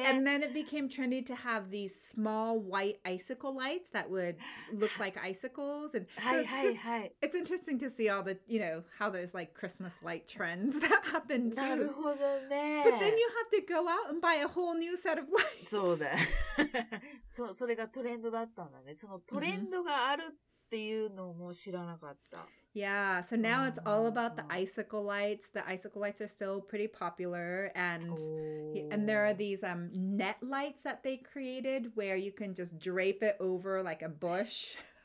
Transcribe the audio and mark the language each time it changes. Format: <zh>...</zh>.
<en>And then it became trendy to have these small white icicle lights that would look like icicles. And so it's interesting to see all the, you know, how there's like Christmas light trends that happen too.</en> <ja>なるほどね。</ja> <en>But then you have to go out and buy a whole new set of lights.</en> <ja>そうだ。それがトレンドだったんだね。そのトレンドがあるっていうのも知らなかった。</ja> <en>Yeah, so now it's all about the icicle lights. The icicle lights are still pretty popular. And there are these net lights that they created where you can just drape it over like a bush.</en>